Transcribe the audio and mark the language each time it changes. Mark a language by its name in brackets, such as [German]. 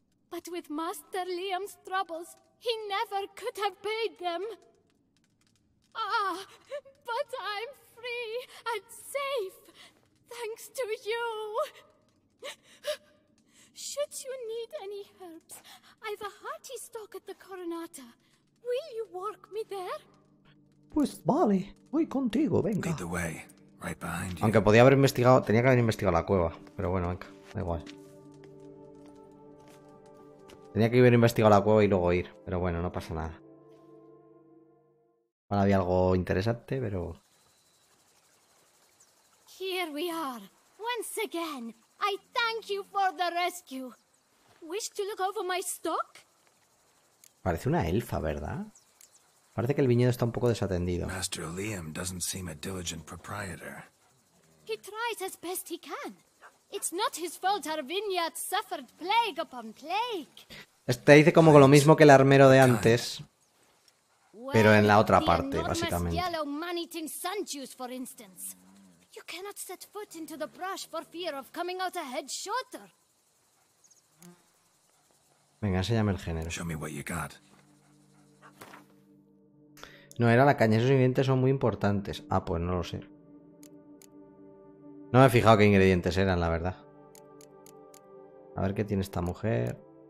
[English] But with Master Liam's troubles, he never could have paid them. Ah, but I'm free and safe, thanks to you. Should you need any herbs, I've a hearty stock at the Coronata. Will you work me there? [Spanish] Pues vale, voy contigo, venga. [English] Lead the way, right behind you. [Spanish] Aunque podía haber investigado, tenía que haber investigado la cueva, pero bueno, venga, da igual. Tenía que haber investigado la cueva y luego ir, pero bueno, no pasa nada. Ahora había algo interesante, pero... [English] Here we are. Once again, I thank you for the rescue. Wish to look over my stock? [Spanish] Parece una elfa, ¿verdad? Parece que el viñedo está un poco desatendido. [English] Master Liam doesn't seem a diligent proprietor. He tries as best he can. It's not his fault our vineyard suffered plague upon plague. [Spanish] Este dice como lo mismo que el armero de antes, pero en la otra parte, básicamente. [English] Well, the enormous yellow man-eating sun juice, for instance. You cannot set foot into the brush for fear of coming out a head shorter. [Spanish] Venga, enséñame el género. [English] Show me what you got. [Spanish] No, era la caña. Esos ingredientes son muy importantes. Ah, pues no lo sé. No me he fijado qué ingredientes eran, la verdad. A ver qué tiene esta mujer.